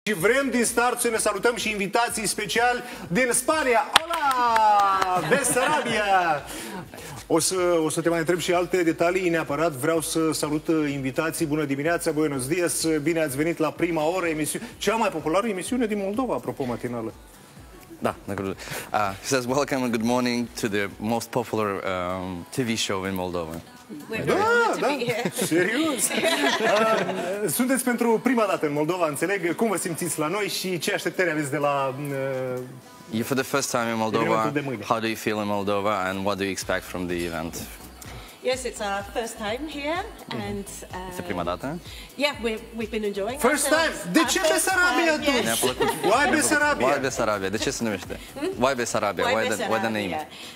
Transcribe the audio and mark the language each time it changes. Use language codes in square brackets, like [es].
[ro] Și vrem din start să ne salutăm și invitații speciali din Spania. Hola! Besarabia! O să te mai întreb și alte detalii. Neapărat vreau să salut invitații. Bună dimineața, [es] buenos dias, [ro] bine ați venit la prima oră emisiune. Cea mai populară emisiune din Moldova, apropo, matinală. Da, d'accord. [en] He says welcome and good morning to the most popular TV show in Moldova. [ro] Da, serios. Sunteți pentru prima dată în Moldova, înțeleg. Cum vă simțiți la noi și ce așteptări aveți de la... [en] You for the first time in Moldova. How do you feel in Moldova and what do you expect from the event? Yes, it's our first time here and... [ro] Este prima dată? [en] Yeah, we've been enjoying first ourselves. First time? [ro] De ce Besarabia atunci? [en] Yes. Why Besarabia? Why Besarabia? [ro] De ce se numește? [en] Why Besarabia? Why the name?